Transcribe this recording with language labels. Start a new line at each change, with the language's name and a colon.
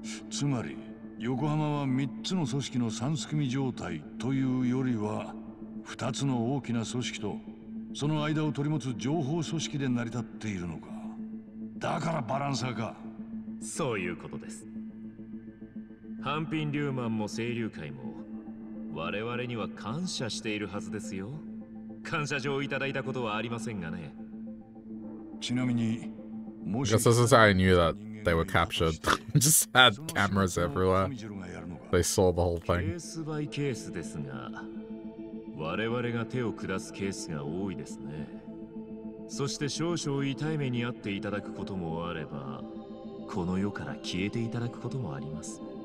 Japanese: つまり横浜は3つの組織の三すくみ状態というよりは、2つの大きな組織とその間を取り持つ情報組織で成り立っているのか。だからバランサーか。そういうことです。ハンピン・リューマンも清流会も我々には感謝しているはずですよ。感謝状をいただいたことはありませんがね。ちなみに、もし
English: This is how I knew that they were captured. Just had cameras everywhere. They saw the whole thing.
Japanese: ケースバイケースですが、我々が手を下すケースが多いですね。そして少々痛い目に遭っていただくこともあれば、この世から消えていただくこともあります。